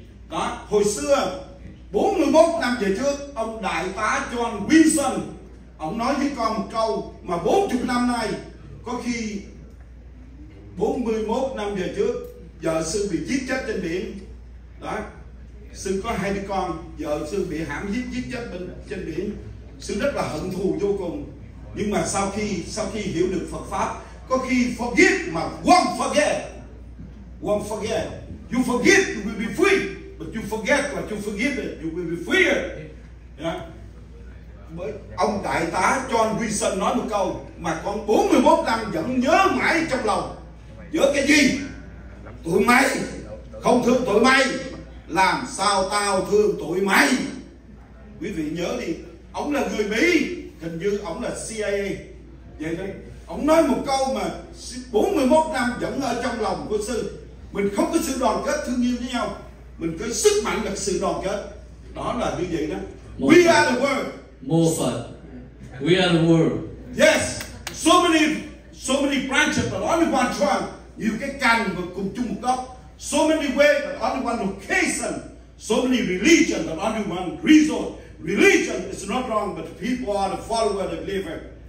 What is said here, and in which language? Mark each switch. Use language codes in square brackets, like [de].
[vi] Đó, hồi xưa 41 năm về trước, ông đại tá John Wilson, ông nói với con một câu mà 40 năm nay, có khi 41 năm về trước, vợ sư bị giết chết trên biển. Đó, sư có hai đứa con, vợ sư bị hãm giết giết chết bên, trên biển. Sư rất là hận thù vô cùng. Nhưng mà sau khi hiểu được Phật Pháp, có khi forget mà [en] won't forget. Won't forget. You forget, you will be free. But you forget, but you forget it, you will be free. Yeah. [vi] Ông đại tá John Wilson nói một câu mà con 41 năm vẫn nhớ mãi trong lòng. Nhớ cái gì? Tụi mày không thương tụi mày, làm sao tao thương tụi mày? Quý vị nhớ đi. Ông là người Mỹ, hình như ông là CIA. Vậy đấy, ông nói một câu mà 41 năm vẫn ở trong lòng của sư. Mình không có sự đoàn kết thương yêu với nhau, mình có sức mạnh là sự đoàn kết. Đó là như vậy đó. [en] We are the world. More fun. We are the world. Yes. So many branches but only one trunk. [vi] Nhiều cái cành và cùng chung một gốc. [en] So many ways but only one location. So many religions but only one resort. Religion is not wrong but people are the follower, the believer.